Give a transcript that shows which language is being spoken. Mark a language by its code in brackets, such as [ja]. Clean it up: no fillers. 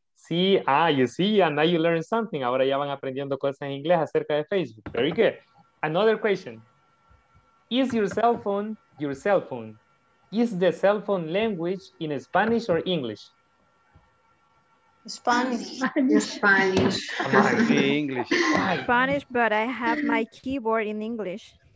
[en] See, you see, and now you learn something. [es] Ahora ya van aprendiendo cosas en inglés acerca de Facebook. [en] Very good. Another question. Is your cell phone? Is the cell phone language in Spanish or English? Spanish. Spanish. Spanish, but I have my keyboard in English.